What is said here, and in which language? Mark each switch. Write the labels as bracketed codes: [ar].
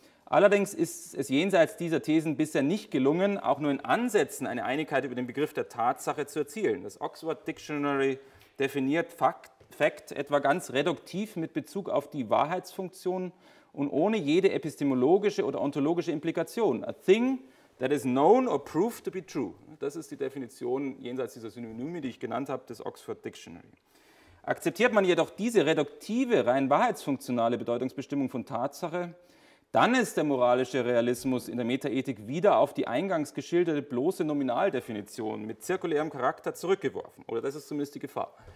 [de] Allerdings ist es jenseits dieser Thesen bisher nicht gelungen, auch nur in Ansätzen eine Einigkeit über den Begriff der Tatsache zu erzielen. Das Oxford Dictionary definiert Fact etwa ganz reduktiv mit Bezug auf die Wahrheitsfunktion und ohne jede epistemologische oder ontologische Implikation. [en] A thing that is known or proved to be true. [de] Das ist die Definition jenseits dieser Synonyme, die ich genannt habe, des Oxford Dictionary. Akzeptiert man jedoch diese reduktive, rein wahrheitsfunktionale Bedeutungsbestimmung von Tatsache, dann ist der moralische Realismus in der Metaethik wieder auf die eingangs geschilderte bloße Nominaldefinition mit zirkulärem Charakter zurückgeworfen. Oder das ist zumindest die Gefahr.